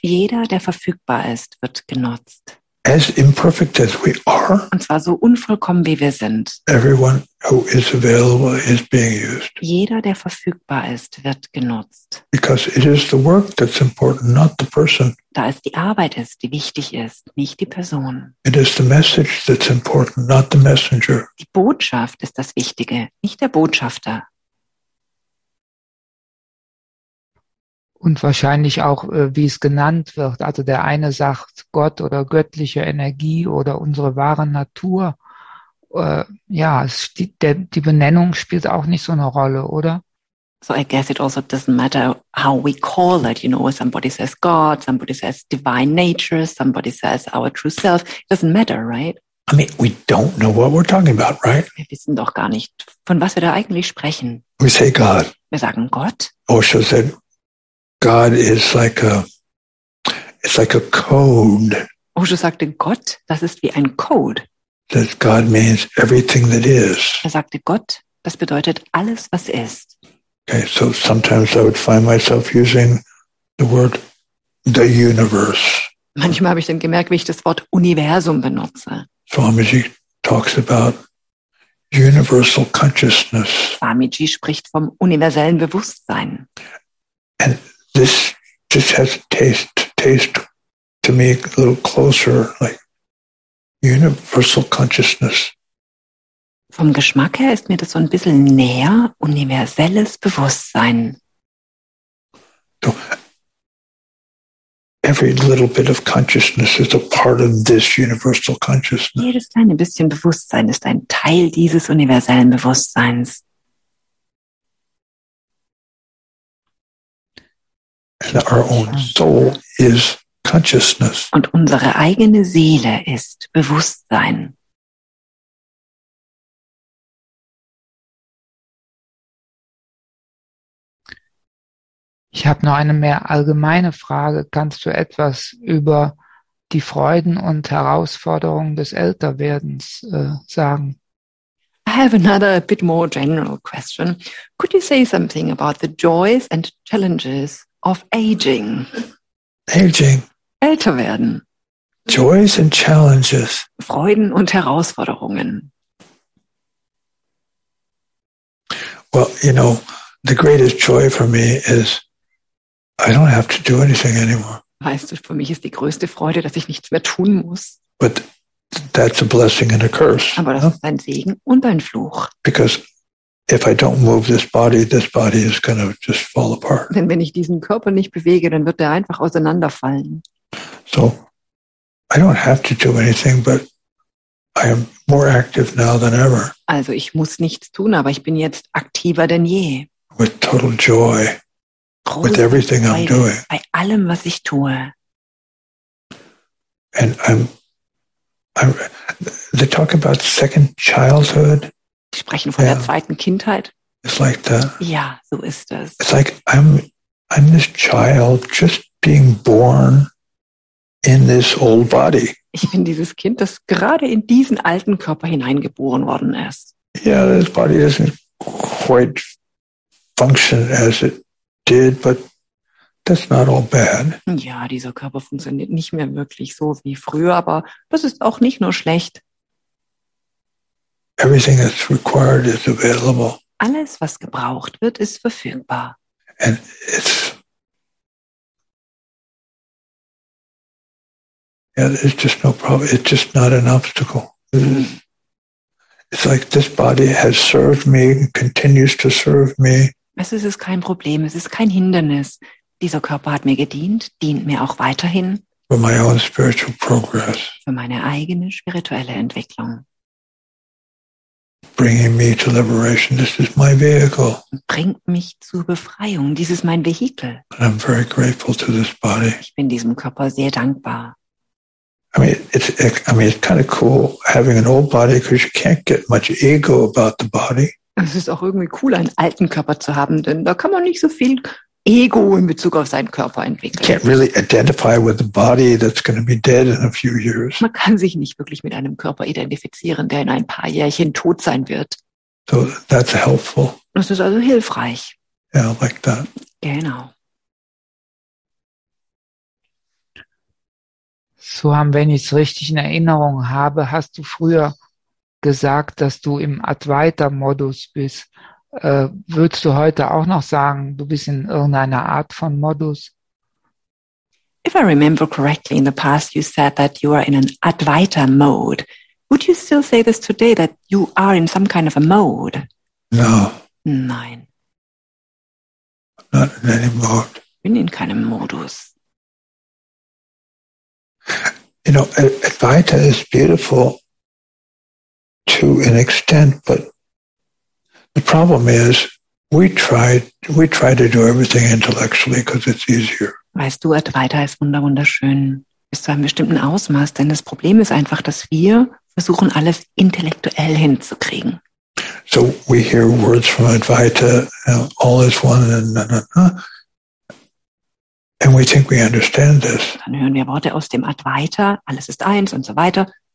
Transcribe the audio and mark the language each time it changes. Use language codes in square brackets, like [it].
[de] Jeder, der verfügbar ist, wird genutzt. [en] As imperfect as we are. [de] Und zwar so unvollkommen, wie wir sind. [en] Everyone who is available is being used. [de] Jeder, der verfügbar ist, wird genutzt. [en] Because it is the work that's important, not the person. [de] Da es die Arbeit ist, die wichtig ist, nicht die Person. [en] It is the message that's important, not the messenger. [de] Die Botschaft ist das Wichtige, nicht der Botschafter. Und wahrscheinlich auch, wie es genannt wird. Also der eine sagt Gott oder göttliche Energie oder unsere wahre Natur. Ja, die Benennung spielt auch nicht so eine Rolle, oder? [en] So I guess it also doesn't matter how we call it. You know, somebody says God, somebody says divine nature, somebody says our true self. It doesn't matter, right? I mean, we don't know what we're talking about, right? [de] Wir wissen doch gar nicht, von was wir da eigentlich sprechen. [en] We say God. [de] Wir sagen Gott. [en] Osho said, God is like a code. [de] Osho sagte, Gott, das ist wie ein Code. [en] That God means everything that is. [de] Er sagte, Gott, das bedeutet alles, was ist. [en] Okay, so sometimes I would find myself using the word the universe. [de] Manchmal habe ich dann gemerkt, wie ich das Wort Universum benutze. [en] Swamiji talks about universal consciousness. [de] Swamiji spricht vom universellen Bewusstsein. [en] And this just has taste to me a little closer, like universal consciousness. [de] Vom Geschmack her ist mir das so ein bisschen näher, universelles Bewusstsein. [en] So, every little bit of consciousness is a part of this universal consciousness. [de] Jedes kleine bisschen Bewusstsein ist ein Teil dieses universellen Bewusstseins. [en] And our own soul is consciousness. [de] Und unsere eigene Seele ist Bewusstsein. Ich habe noch eine mehr allgemeine Frage. Kannst du etwas über die Freuden und Herausforderungen des Älterwerdens sagen? [en] I have another a bit more general question. Could you say something about the joys and challenges of aging? Aging. [de] Älter werden. [en] Joys and challenges. [de] Freuden und Herausforderungen. [en] Well, you know, the greatest joy for me is I don't have to do anything anymore. [de] Weißt du, für mich ist die größte Freude, dass ich nichts mehr tun muss. [en] But that's a blessing and a curse. [de] Aber das ist ein Segen und ein Fluch. [en] Because if I don't move this body is going to just fall apart. [de] Denn wenn ich diesen Körper nicht bewege, dann wird er einfach auseinanderfallen. [en] So, I don't have to do anything, but I am more active now than ever. [de] Also, ich muss nichts tun, aber ich bin jetzt aktiver denn je. [en] With total joy. [de] Große [en] with everything [de] Freude [en] I'm doing. [de] Bei allem, was ich tue. [en] And they talk about second childhood. [de] Sie sprechen von der zweiten Kindheit. [en] It's like that. [de] Ja, so ist das. [en] It's like I'm this child just being born in this old body. [de] Ich bin dieses Kind, das gerade in diesen alten Körper hineingeboren worden ist. [en] Yeah, this body isn't quite function as it did, but that's not all bad. [de] Ja, dieser Körper funktioniert nicht mehr wirklich so wie früher, aber das ist auch nicht nur schlecht. [en] Everything that's required is available. [de] Alles, was gebraucht wird, ist verfügbar. [en] And it's yeah, it's just no problem. It's just not an obstacle. It's like this body has served me and continues to serve me. [de] Es ist kein Problem, es ist kein Hindernis. Dieser Körper hat mir gedient, dient mir auch weiterhin. [en] For my own spiritual progress. [de] Für meine eigene spirituelle Entwicklung. [en] Bringing me to liberation. This is my vehicle. [de] Bringt mich zur Befreiung. Dies ist mein Vehikel. [en] And I'm very grateful to this body. [de] Ich bin diesem Körper sehr dankbar. [en] It's kind of cool having an old body because you can't get much ego about the body. [de] Es ist auch irgendwie cool, einen alten Körper zu haben, denn da kann man nicht so viel Ego in Bezug auf seinen Körper entwickeln. [en] Can't really identify with the body that's going to be dead in a few years. [de] Man kann sich nicht wirklich mit einem Körper identifizieren, der in ein paar Jährchen tot sein wird. [en] So that's helpful. [de] Das ist also hilfreich. [en] Yeah, I like that. [de] Genau. So, wenn ich es richtig in Erinnerung habe, hast du früher gesagt, dass du im Advaita-Modus bist. Würdest du heute auch noch sagen, du bist in irgendeiner Art von Modus? [en] If I remember correctly, in the past you said that you are in an Advaita-Mode. Would you still say this today, that you are in some kind of a mode? No. [de] Nein. [en] Not in any mode. [de] Ich bin in keinem Modus. [en] You know, Advaita is beautiful to an extent, but the problem is we try to do everything intellectually because it's easier. [de] Weißt du, Advaita ist wunderschön bis zu einem bestimmten Ausmaß, denn das Problem ist einfach, dass wir versuchen, alles intellektuell hinzukriegen. [en] So we hear words from Advaita, you know, all is one, and we think we understand this. [de] Dann hören wir Worte aus dem Advaita, alles ist eins und so weiter.